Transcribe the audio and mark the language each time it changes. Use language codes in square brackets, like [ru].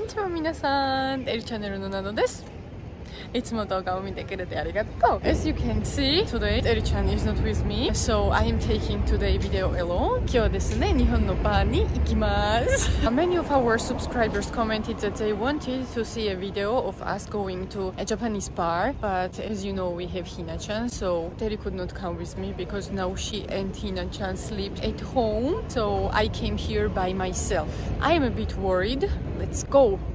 [ja] 皆さん、テリちゃんねるのなのです。いつも動画を見てくれてありがとう。 [en] As you can see, today, Teri-chan is not with me. So, I am taking today video alone. [ja] 今日ですね、日本のバーに行きます。 [en] Many of our subscribers commented that they wanted to see a video of us going to a Japanese bar. But as you know, we have Hina-chan. So, Teri could not come with me because now she and Hina-chan sleep at home. So, I came here by myself. I am a bit worried. Let's go!